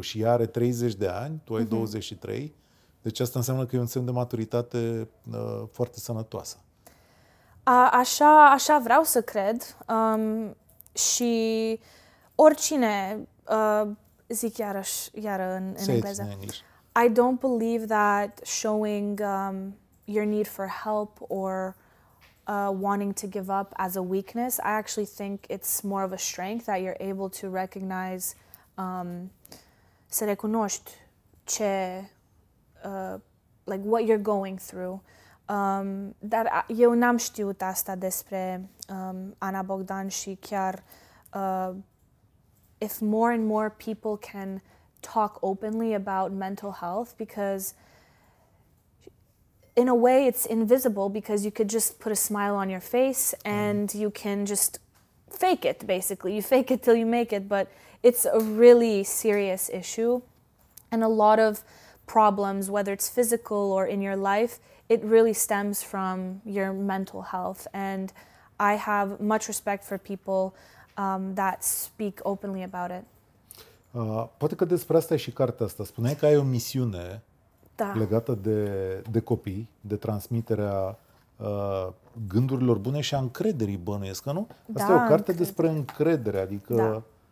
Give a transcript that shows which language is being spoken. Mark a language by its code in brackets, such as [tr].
[ro] Și ea are 30 de ani, tu ai 23. Deci asta înseamnă că e un semn de maturitate foarte sănătoasă. Așa vreau să cred. Și oricine, zic iară în engleză. [en] I don't believe that showing your need for help or wanting to give up as a weakness. I actually think it's more of a strength that you're able to recognize, [ro] să recunoști ce... [en] like what you're going through. [ro] Dar eu n-am știut asta despre Ana Bogdan și chiar [en] if more and more people can talk openly about mental health, because in a way it's invisible because you could just put a smile on your face and you can just fake it, basically. You fake it till you make it, but it's a really serious issue and a lot of problems, whether it's physical or in your life, it really stems from your mental health. And I have much respect for people that speak openly about it. [ro] Poate că despre asta e și cartea asta. Spuneai că ai o misiune legată de copii, de transmiterea gândurilor bune și a încrederii, bănuiesc, nu? Asta da, e o carte despre încredere, adică da.